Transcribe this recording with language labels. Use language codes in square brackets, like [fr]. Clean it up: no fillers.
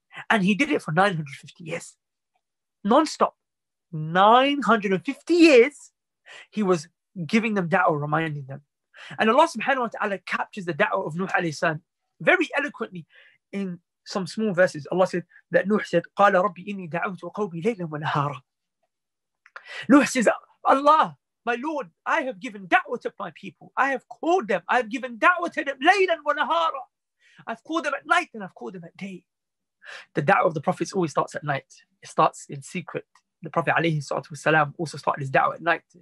[en] And he did it for 950 years. Non-stop. 950 years. He was giving them da'wah, reminding them. And Allah subhanahu wa ta'ala captures the da'wah of Nuh alayhi salam very eloquently in some small verses. Allah said that Nuh said, [ar] قَالَ رَبِّ إِنِّي دَعَوْتُ وَقَوْمِي لَيْلًا وَنَهَارًا. [en] Nuh says, Allah, my Lord, I have given da'wah to my people. I have called them. I have given da'wah to them. [ar] لَيْلًا وَنَهَارًا. [en] I've called them at night and I've called them at day. The da'wah of the prophets always starts at night. It starts in secret. The Prophet alayhi salatu wasalam also started his da'wah at night.